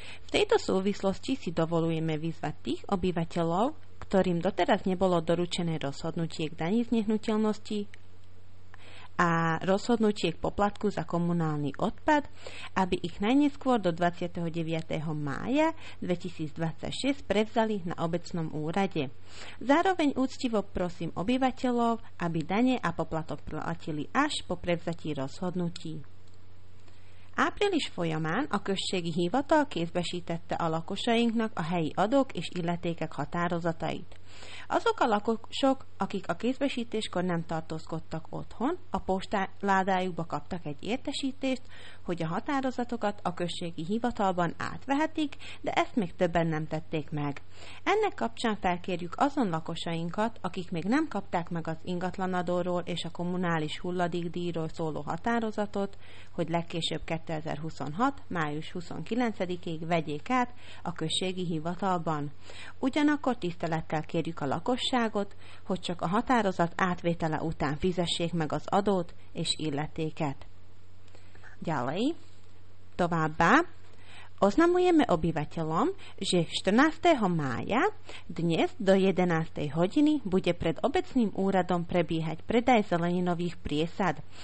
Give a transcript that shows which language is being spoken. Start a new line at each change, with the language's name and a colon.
Slovak: V tejto súvislosti si dovolujeme vyzvať tých obyvateľov, ktorým doteraz nebolo doručené rozhodnutie k dani z nehnuteľnosti a rozhodnutie k poplatku za komunálny odpad, aby ich najneskôr do 29. mája 2026 prevzali na obecnom úrade. Zároveň úctivo prosím obyvateľov, aby dane a poplatok platili až po prevzatí rozhodnutí.
Hungarian: Április folyamán a községi hivatal kézbe sítette a lakosainknak a helyi adók és illetékek határozatait. Azok a lakosok, akik a kézbesítéskor nem tartózkodtak otthon, a postaládájukba kaptak egy értesítést, hogy a határozatokat a községi hivatalban átvehetik, de ezt még többen nem tették meg. Ennek kapcsán felkérjük azon lakosainkat, akik még nem kapták meg az ingatlanadóról és a kommunális hulladékdíjról szóló határozatot, hogy legkésőbb 2026. május 29-ig vegyék át a községi hivatalban. Ugyanakkor tisztelettel kérjük a lakosságot, hogy csak a határozat átvétele után fizessék meg az adót és illetéket.
Slovak: Ďalej, továbbá, oznamujeme obyvateľom, že 14. mája dnes do 11. hodiny bude pred obecným úradom prebiehať predaj zeleninových priesad.